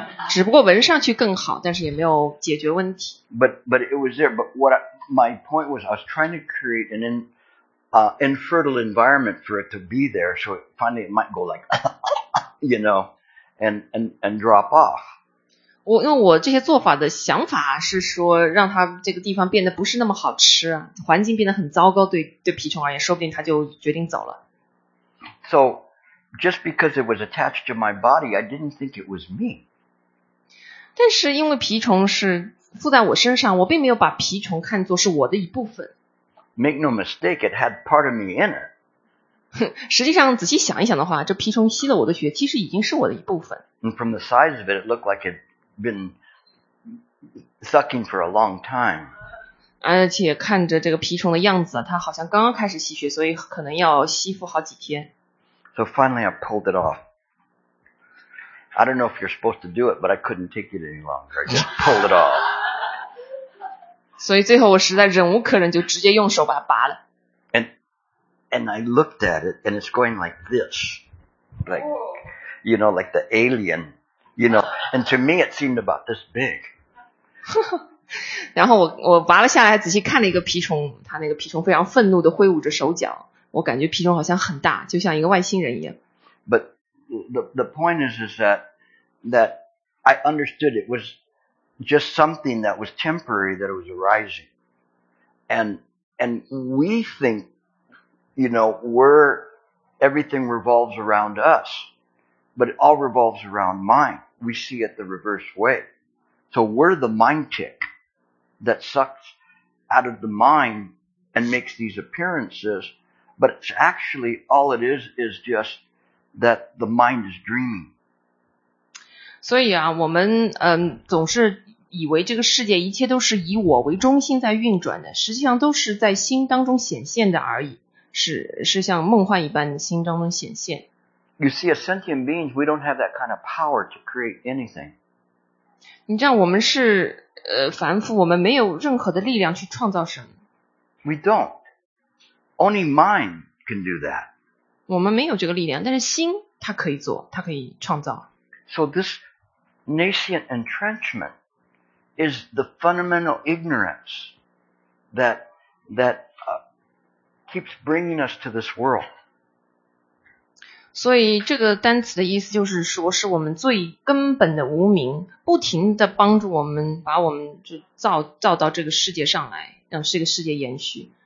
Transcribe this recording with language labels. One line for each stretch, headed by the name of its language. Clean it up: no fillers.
Chinese: 只不过闻上去更好，但是也没有解决问题。
English: But it was there. But what my point was, I was trying to create an infertile environment for it to be there, so finally it might go like, you know, and drop off.
Chinese: 我用我这些做法的想法是说，让它这个地方变得不是那么好吃，环境变得很糟糕，对蜱虫而言，说不定它就决定走了。
English: So. Just because it was attached to my body, I didn't think it was me.
Chinese: 但是因为蜱虫是附在我身上，我并没有把蜱虫看作是我的一部分。
English: Make no mistake, it had part of me in it.
Chinese: 实际上仔细想一想的话，这蜱虫吸了我的血，其实已经是我的一部分。
English: And from the size of it, it looked like it had been sucking for a long time.
Chinese: 而且看着这个蜱虫的样子，它好像刚刚开始吸血，所以可能要吸附好几天。
English: So finally, I pulled it off. I don't know if you're supposed to do it, but I couldn't take it any longer. I just pulled it off.
Chinese: 所以最后我实在忍无可忍，就直接用手把它拔了。
English: And I looked at it, and it's going like this, like, you know, like the alien, you know. And to me, it seemed about this big.
Chinese: 然后我拔了下来，仔细看了一个蜱虫，它那个蜱虫非常愤怒地挥舞着手脚。我感觉蜱虫好像很大，就像一个外星人一样。
English: But the point is that I understood it was just something that was temporary, that it was arising. And we think, you know, we're, everything revolves around us, but it all revolves around mind. We see it the reverse way. So we're the mind tick that sucks out of the mind and makes these appearances. But it's actually all it is just that the mind is dreaming.
Chinese: 所以啊，我们总是以为这个世界一切都是以我为中心在运转的，实际上都是在心当中显现的而已，是像梦幻一般的心当中显现。
English: You see, as sentient beings, we don't have that kind of power to create anything.
Chinese: 你知道我们是凡夫，我们没有任何的力量去创造什么。
English: We don't. Only mind can do that.
Chinese: 我们没有这个力量，但是心它可以做，它可以创造。
English: So this nascent entrenchment is the fundamental ignorance that keeps bringing us to this world.
Chinese: 所以这个单词的意思就是说，是我们最根本的无明，不停地帮助我们，把我们就造到这个世界上来，让这个世界延续。